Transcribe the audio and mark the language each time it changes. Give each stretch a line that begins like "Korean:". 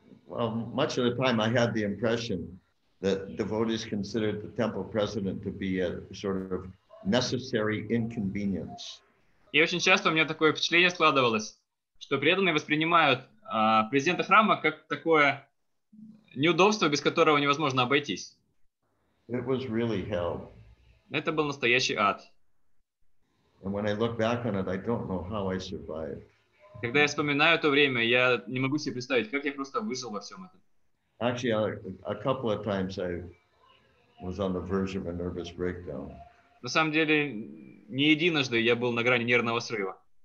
English: Much of the time I had the impression that devotees considered the temple president to be a sort of necessary inconvenience.
Russian: И очень часто у меня такое впечатление складывалось, что преданные воспринимают президента храма как такое неудобство, без которого невозможно обойтись.
English: It was really hell.
Russian: Это был настоящий ад.
English: And when I look back on it, I don't know how I survived.
Russian: Когда я вспоминаю то время, я не могу себе представить, как я просто выжил во всем этом.
English: Actually, a couple of times I was on the verge of a nervous breakdown.
Russian: На самом деле, не единожды я был на грани нервного срыва.